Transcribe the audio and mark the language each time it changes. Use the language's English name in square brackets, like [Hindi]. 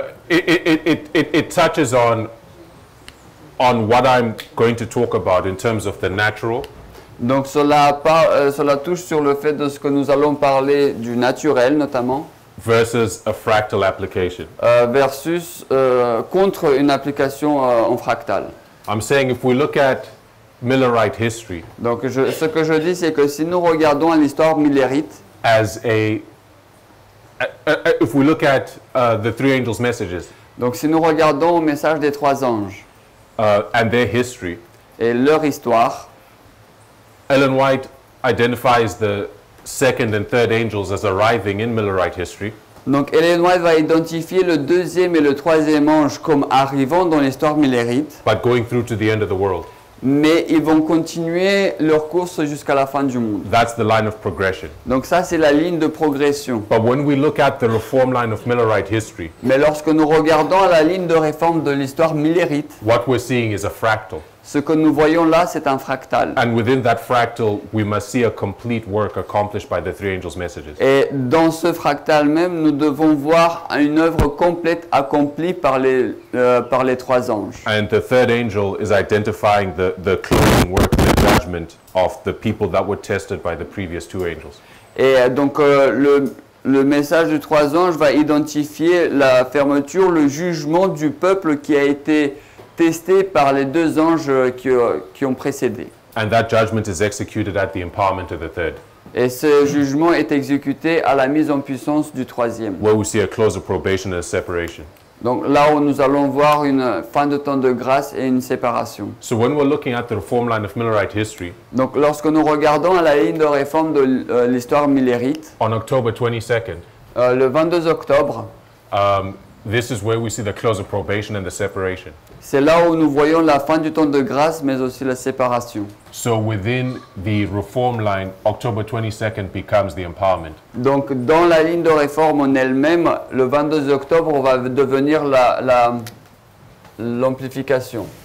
[English] It touches on what I'm going to talk about in terms of the natural. [French] Donc cela touche sur le fait de ce que nous allons parler du naturel notamment. [English] Versus a fractal application. [French] Contre une application en fractal. [English] I'm saying if we look at Millerite history. [French] Donc ce que je dis c'est que si nous regardons à l'histoire millérite. [English] As if we look at the three angels' messages. [French] Donc si nous regardons au message des trois anges. [English] And their history. [French] Et leur histoire. [English] Ellen White identifies the second and third angels as arriving in Millerite history. [French] Donc Ellen White va identifier le deuxième et le troisième ange comme arrivant dans l'histoire millérite. [English] But going through to the end of the world. [French] Mais ils vont continuer leur course jusqu'à la fin du monde. [English] That's the line of progression. [French] Donc ça, c'est la ligne de progression. [English] But when we look at the reform line of Millerite history. [French] Mais lorsque nous regardons à la ligne de réforme de l'histoire millérite. [English] What we're seeing is a fractal. [French] Ce que nous voyons là, c'est un fractal. [English] And within that fractal, we must see a complete work accomplished by the three angels' messages. [French] Et dans ce fractal même, nous devons voir une œuvre complète accomplie par les trois anges. [English] And the third angel is identifying the cleaning work, the judgment of the people that were tested by the previous two angels. [French] Et donc le message du trois anges va identifier la fermeture, le jugement du peuple qui a été testé par les deux anges qui ont précédé. [English] And that judgment is executed at the empowerment of the third. [French] Et ce jugement est exécuté à la mise en puissance du troisième. [English] Where we see a closer probation and a separation. [French] Donc là où nous allons voir une fin de temps de grâce et une séparation. [English] So when we're looking at the reform line of Millerite history. [French] Donc lorsque nous regardons à la ligne de réforme de l'histoire millérite. [English] On October 22nd. [French] Le 22 octobre. [English] This is where we see the close of probation and the separation. [French] C'est là où nous voyons la fin du temps de grâce mais aussi la séparation. [English] So within the reform line, October 22nd becomes the empowerment. [French] Donc dans la ligne de réforme en elle-même, le 22 octobre va devenir l'amplification.